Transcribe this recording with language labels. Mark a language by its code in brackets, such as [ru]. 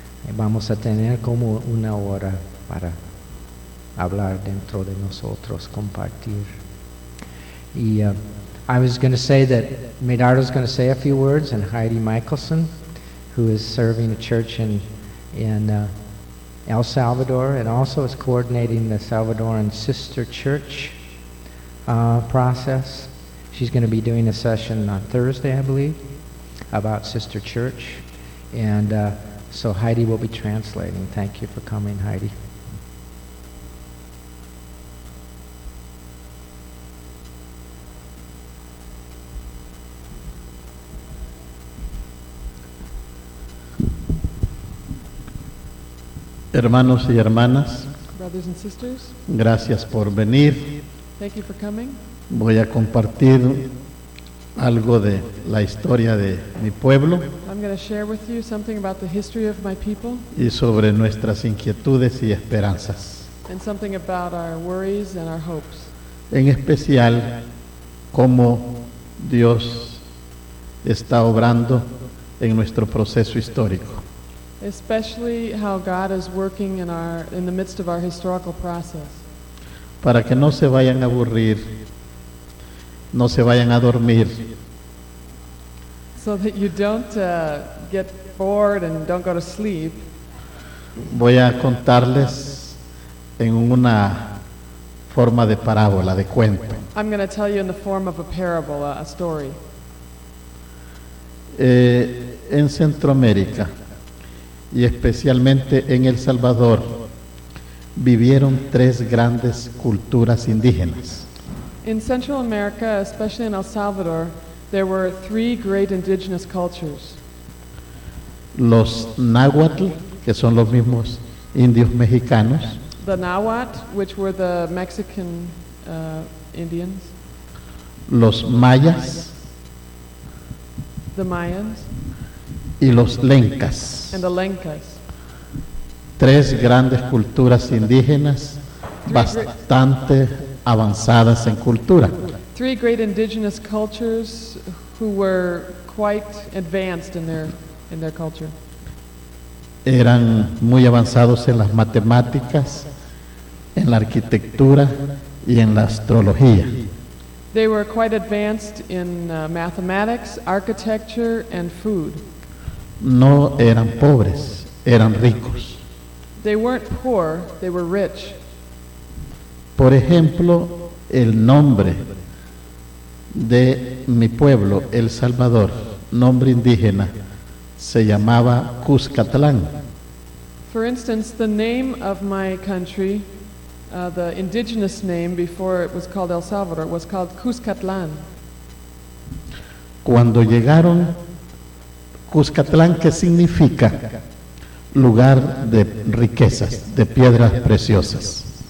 [es] Vamos a tener como una hora para hablar dentro de nosotros, compartir. [en] I was going to say that Medardo is going to say a few words, and Heidi Michelson, who is serving a church in El Salvador and also is coordinating the Salvadoran Sister Church process. She's going to be doing a session on Thursday, I believe, about Sister Church. And so Heidi will be translating. Thank you for coming, Heidi. [es] Hermanos y hermanas, [en] brothers and sisters, [es] gracias por venir. [en] Thank you for coming. [es] Voy a compartir algo de la historia de mi pueblo. [en] I'm going to share with you something about the history of my people. [es] Y sobre nuestras inquietudes y esperanzas. [en] And something about our worries and our hopes. [es] En especial, cómo Dios está obrando en nuestro proceso histórico. [en] Especially how God is working in the midst of our historical process. [es] Para que no se vayan a aburrir, no se vayan a dormir. [en] So that you don't get bored and don't go to sleep. [es] Voy a contarles en una forma de parábola, de cuento. [en] I'm going to tell you in the form of a parable, a story. [es] En Centroamérica, y especialmente en El Salvador, vivieron tres grandes culturas indígenas. [en] In Central America, especially in El Salvador, there were three great indigenous cultures. [es] Los náhuatl, que son los mismos indios mexicanos. [en] The náhuatl, which were the Mexican Indians. [es] Los mayas. [en] The Mayans. [es] y los Lencas. [en] And the Lencas. [es] Tres grandes culturas indígenas bastante avanzadas en cultura. [en] Three great indigenous cultures who were quite advanced in their culture. [es] Eran muy avanzados en las matemáticas, en la arquitectura y en la astrología. [en] They were quite advanced in mathematics, architecture and food. [es] No eran pobres, eran ricos. [en] They weren't poor, they were rich. [es] Por ejemplo, el nombre de mi pueblo, El Salvador, nombre indígena, se llamaba Cuscatlán. [en] For instance, the name of my country, the indigenous name before it was called El Salvador, was called Cuscatlán. [es] Cuando llegaron, Cuscatlán, ¿qué significa? Lugar de riquezas, de piedras preciosas.